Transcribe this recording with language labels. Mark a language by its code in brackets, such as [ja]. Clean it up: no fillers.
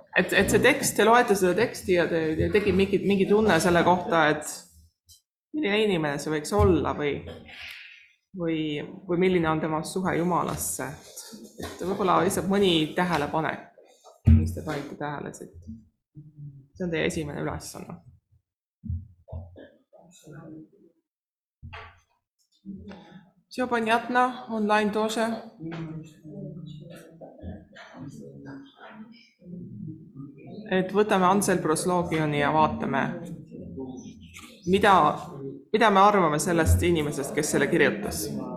[et] Et see tekst, te loete seda teksti ja te tegid mingi tunne selle kohta, et milline inimene see võiks olla või milline on tema suhe Jumalasse. Et võibolla lihtsalt mõni tähele pane, mis te panite tähele siit. See on teie esimene ülesanne. [ru] Все понятно, онлайн тоже. [et] Et võtame Ansel Proslogioni ja vaatame, mida me arvame sellest inimesest, kes selle kirjutas.